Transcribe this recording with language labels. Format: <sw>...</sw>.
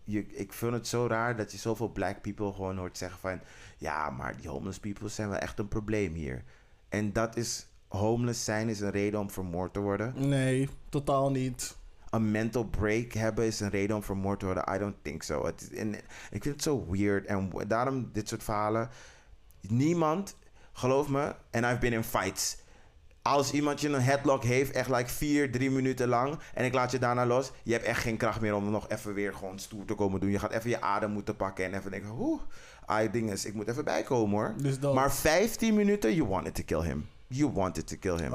<nl>Ik vind het zo raar dat je zoveel black people gewoon hoort zeggen van, ja, maar die homeless people zijn wel echt een probleem hier. En dat is... Homeless zijn is een reden om vermoord te worden. Nee, totaal niet. Een mental break hebben is een reden om vermoord te worden. I don't think so. Ik vind het zo weird. En daarom dit soort verhalen.</nl> <en>Niemand, geloof me, and I've been in fights.</en> <nl>Als iemand je een headlock heeft, echt like 4-3 minuten lang, en ik laat je daarna los, je hebt echt geen kracht meer om nog even weer gewoon stoer te komen doen. Je gaat even je adem moeten pakken en even denken, oeh, I think is, ik moet even bijkomen hoor. Dus dat...</nl> <en>Maar 15 minuten, you wanted to kill him. You wanted to kill him.</en>